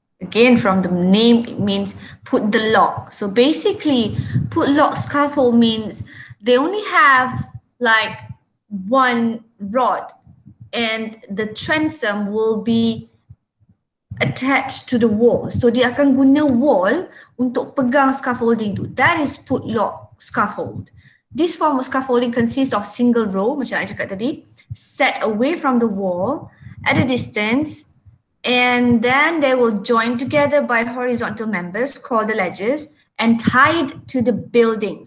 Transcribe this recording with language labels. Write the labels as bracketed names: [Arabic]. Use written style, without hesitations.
[English] Again, from the name, it means put the lock. So basically, put lock scaffold means they only have like one rod and the transom will be attached to the wall. [Malay] So dia akan guna wall untuk pegang scaffolding tu. [English] That is put lock scaffold. This form of scaffolding consists of single row, [Malay] macam I cakap tadi, [English] set away from the wall at a distance, and then they will join together by horizontal members called the ledges and tied to the building.